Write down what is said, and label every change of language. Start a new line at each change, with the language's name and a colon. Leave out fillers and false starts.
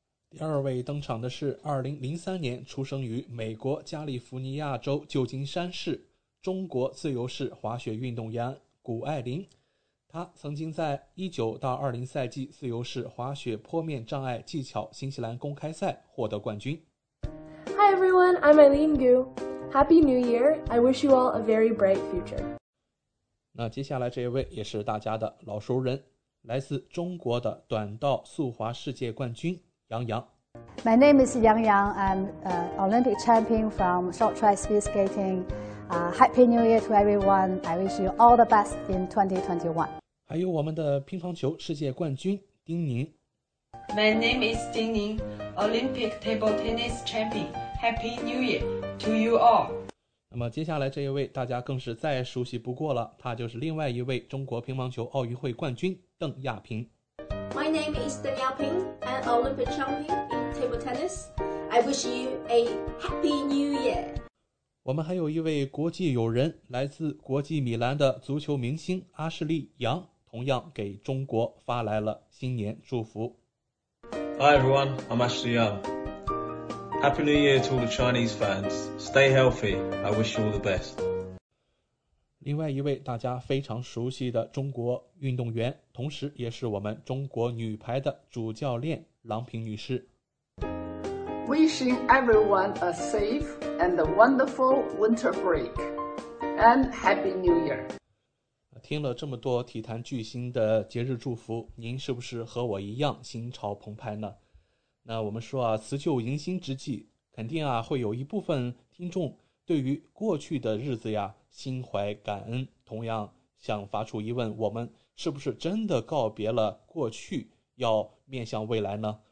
Chinese: 第二位登场的是2003年出生于美国加利福尼亚州旧金山市中国自由式滑雪运动员谷爱凌。他曾经在19-20赛季自由式滑雪坡面障碍技巧新西兰公开赛获得冠军。
English: Hi everyone, I'm Eileen Gu. Happy New Year. I wish you all a very bright future.
Chinese: 那接下来这一位也是大家的老熟人，来自中国的短道速滑世界冠军杨洋。
English: My name is Yang Yang. I'm an Olympic champion from short track speed skating. Happy New Year to everyone. I wish you all the best in 2021.
Chinese: 还有我们的乒乓球世界冠军丁宁。
English: My name is Ding Ning, Olympic table tennis champion. Happy New Year to you all.
Chinese: 那么接下来这一位大家更是再熟悉不过了，他就是另外一位中国乒乓球奥运会冠军邓亚萍。
English: My name is Deng Yaoping, an Olympic champion in table tennis. I wish you a happy new year.
Chinese: 我们还有一位国际友人，来自国际米兰的足球明星阿什利杨，同样给中国发来了新年祝福。
English: Hi everyone, I'm Ashley Young. Happy New Year to all the Chinese fans. Stay healthy. I wish you all the best.
Chinese: 另外一位大家非常熟悉的中国运动员，同时也是我们中国女排的主教练郎平女士。
English: Wishing everyone a safe and a wonderful winter break. And Happy New Year.
Chinese: 听了这么多体坛巨星的节日祝福，您是不是和我一样心潮澎湃呢？那我们说啊，辞旧迎新之际，肯定啊会有一部分听众对于过去的日子呀心怀感恩，同样想发出疑问，我们是不是真的告别了过去，要面向未来呢？